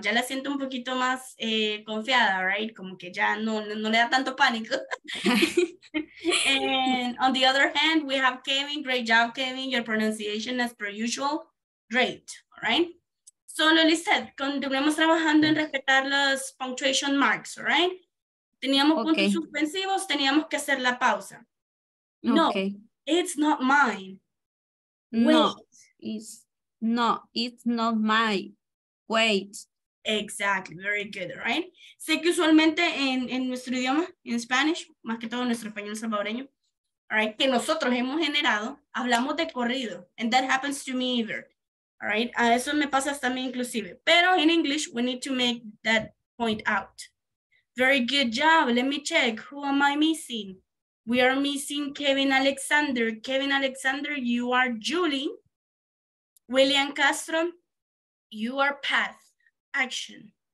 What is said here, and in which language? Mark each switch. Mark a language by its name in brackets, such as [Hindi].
[Spanish] Ya la siento un poquito más confiada, right? Como que ya no le da tanto pánico. [English] And on the other hand, we have Kevin. Great job, Kevin. Your pronunciation as per usual. Great, all right? [Spanish] Solo Lizeth, continuemos trabajando en respetar los [English] punctuation marks, all right? [Spanish] Teníamos puntos suspensivos, teníamos que hacer la pausa. [English] No, it's not mine. No, it's not mine. Wait. Exactly, very good, right? [Spanish] Sé que usualmente en nuestro idioma, en Spanish, más que todo en nuestro español salvadoreño, right, que nosotros hemos generado, hablamos de corrido. [English] And that happens to me either. All right, [Spanish] a eso me pasa hasta a mí inclusive. [English] Pero in English, we need to make that point out. Very good job. Let me check. Who am I missing? We are missing Kevin Alexander. Kevin Alexander, you are Julie. William Castro, you are Pat. Action.